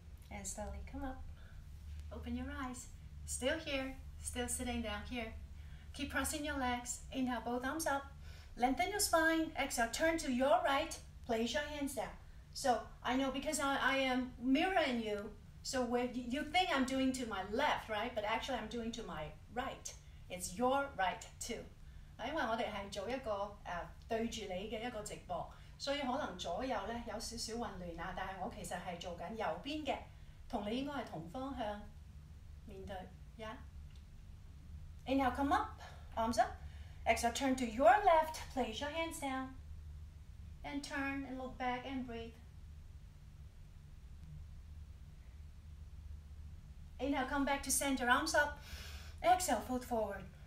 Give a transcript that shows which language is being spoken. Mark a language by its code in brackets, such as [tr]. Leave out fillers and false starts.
[en] And slowly come up, open your eyes. Still here, still sitting down here. Keep pressing your legs, inhale, both arms up. Lengthen your spine, exhale, turn to your right, place your hands down. So I know because I am mirroring you, so you think I'm doing to my left, right? But actually I'm doing to my right. It's your right too. [yue] 因為我們是做一個對著你的一個直播，所以可能左右呢有少少混亂，但我其實是做緊右邊的，同你應該是同方向面對。 [en] Yeah. Inhale, come up, arms up. Exhale, turn to your left, place your hands down, and turn and look back and breathe. Inhale, come back to center, arms up. Exhale, fold forward.